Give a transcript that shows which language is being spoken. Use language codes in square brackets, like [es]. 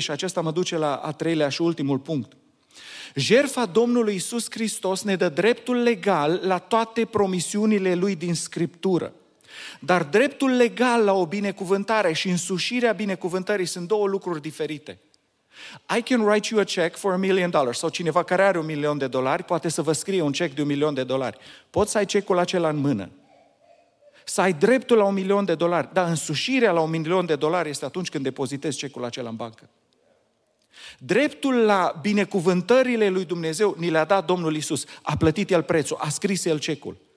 [ro] Și acesta mă duce la a treilea și ultimul punct. Jertfa Domnului Iisus Hristos ne dă dreptul legal la toate promisiunile Lui din Scriptură. Dar dreptul legal la o binecuvântare și însușirea binecuvântării sunt două lucruri diferite. [en] I can write you a check for $1,000,000. [ro] Sau cineva care are $1,000,000 poate să vă scrie un check de $1,000,000. Poți să ai cecul acela în mână. Să ai dreptul la $1,000,000, dar însușirea la $1,000,000 este atunci când depozitezi cecul acela în bancă. Dreptul la binecuvântările lui Dumnezeu ni le-a dat Domnul Iisus, a plătit El prețul, a scris El cecul.